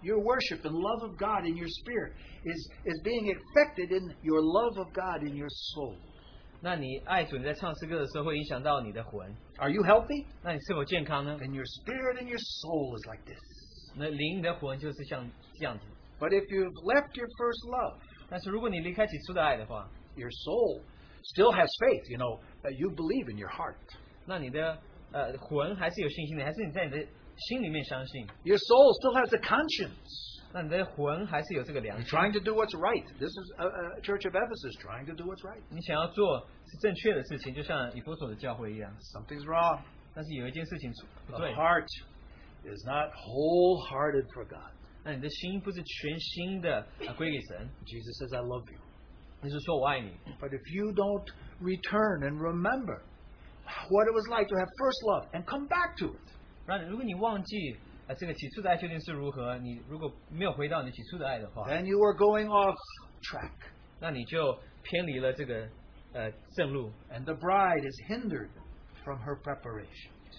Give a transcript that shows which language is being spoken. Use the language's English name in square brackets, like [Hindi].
[English] Your worship and love of God in your spirit is being affected in your love of God in your soul. [Chinese] 那你爱主你在唱诗歌的时候会影响到你的魂。 [English] Are you healthy? [Chinese] 那你是否健康呢? [English] And your spirit and your soul is like this. [Chinese] 那灵的魂就是像这样子。 [English] But if you've left your first love, [Chinese] 但是如果你离开起初的爱的话, [English] your soul still has faith, you know, that you believe in your heart. [Chinese] 那你的魂还是有信心的，还是你在你的心里面相信。 [English] Your soul still has a conscience. [Chinese] 那你的魂还是有这个良心。 [English] You're trying to do what's right. This is a church of Ephesus trying to do what's right. [Chinese] 你想要做是正确的事情，就像以弗所的教会一样。 [English] Something's wrong. [Chinese] 但是有一件事情不对。 [English] The heart is not wholehearted for God. [Chinese] 那你的心不是全心的归给神。 [English] Jesus says, I love you. [Chinese] 耶稣说我爱你。 [English] But if you don't return and remember what it was like to have first love and come back to it, [Chinese] 如果你忘记 这个起初的爱究竟是如何，你如果没有回到你起初的爱的话， [English] then you are going off track. [Chinese] 那你就偏离了这个正路。 [English] And the bride is hindered from her preparation.